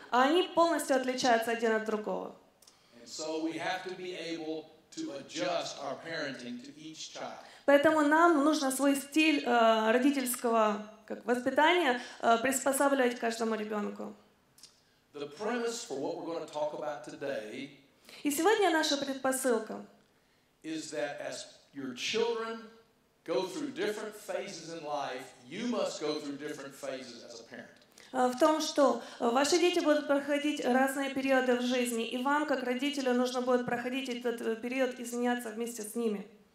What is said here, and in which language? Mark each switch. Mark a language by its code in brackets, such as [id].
[ru] А они полностью отличаются один от другого. [en] So we have to be able to adjust our parenting to each child. [ru] Поэтому нам нужно свой стиль родительского как воспитания приспосабливать каждому ребенку. [en] The premise for what we're going to talk about today. [ru] И сегодня наша предпосылка. [en] Is that as your children go through different phases in life, you must go through different phases as a parent. [ru] В том, что ваши дети будут проходить разные периоды в жизни, и вам, как родителю, нужно будет проходить этот период, изменяться вместе с ними.